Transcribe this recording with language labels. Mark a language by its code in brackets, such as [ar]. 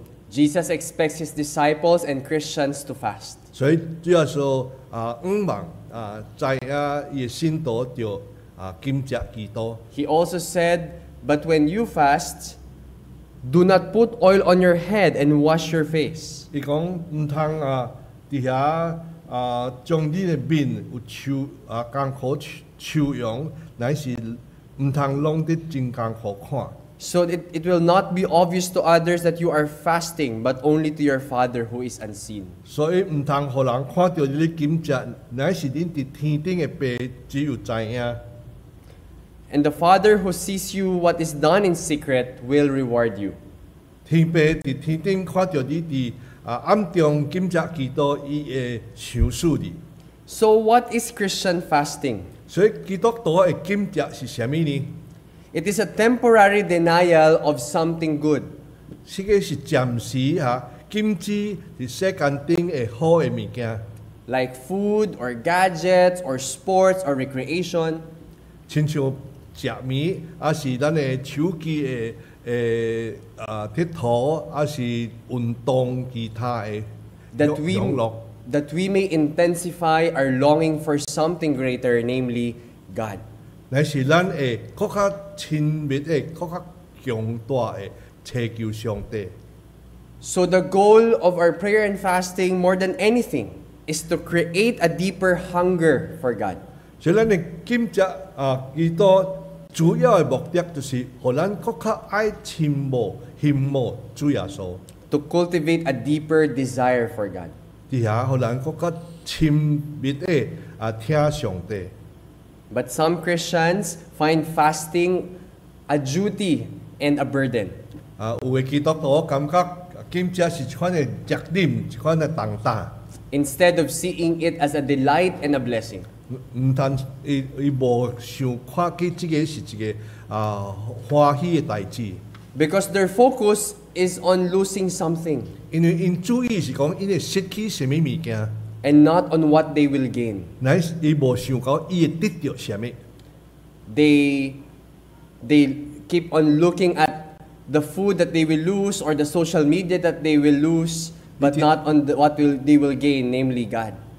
[en] Jesus expects his disciples and Christians to fast. So, Jesus expects his disciples and Christians to fast. He also said, but when you fast, do not put oil on your head and wash your face. [nan] 他说不能在那里将你的面有愁艰苦愁容，乃是不能弄得真艰苦看。 [en] So it will not be obvious to others that you are fasting, but only to your Father who is unseen. [nan] 所以不能让人看到你的禁食，乃是你在天顶的父只有知影。 [en] And the Father who sees you what is done in secret will reward you. [nan] 天父在天顶看到你在暗中禁食祈祷，伊会赏赐你。 [en] So what is Christian fasting? [nan] 所以基督徒的禁食是啥物呢？ [en] It is a temporary denial of something good. [nan] 这个是暂时禁止在世间顶的好的物件。 [en] Like food or gadgets or sports or recreation. [nan] 亲像食物，啊是咱的手机的铁佗，啊是运动其他的享乐。 [en] That we may intensify our longing for something greater, namely God. [nan] 乃是咱的更加亲密的、更加强大的追求上帝。 [en] So the goal of our prayer and fasting, more than anything, is to create a deeper hunger for God. [nan] 所以，咱的禁食祈祷主要的目的就是，予咱更加爱亲慕、羡慕主耶稣。 [en] To cultivate a deeper desire for God. [nan] 底下，予咱更加亲密的听上帝。 [en] But some Christians find fasting a duty and a burden. [nan] 有的基督徒感觉禁食是一款的责任，一款的重担。 [en] Instead of seeing it as a delight and a blessing. [nan] 唔但伊无想看起这个是一个欢喜的代志 [en] ，because their focus is on losing something。 [nan] 因为因注意是讲，因会失去什么物件 [en] and not on what they will gain. They keep on looking at the food that they will lose or the social media that they will lose, but not on the, what will they will gain, namely God.